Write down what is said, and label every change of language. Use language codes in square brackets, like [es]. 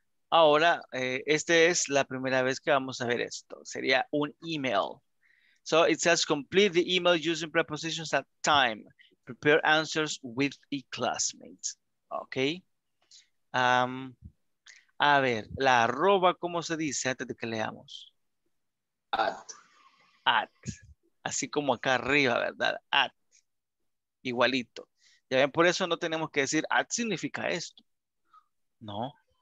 [es] Ahora, este es la primera vez que vamos a ver esto. Sería un email. [en] So it says complete the email using prepositions at time. Prepare answers with a classmate. Okay. [es] A ver, la arroba, ¿cómo se dice antes de que leamos? [en] At. [es] Así como acá arriba, ¿verdad? At. Igualito. Ya ven, por eso no tenemos que decir at significa esto. No.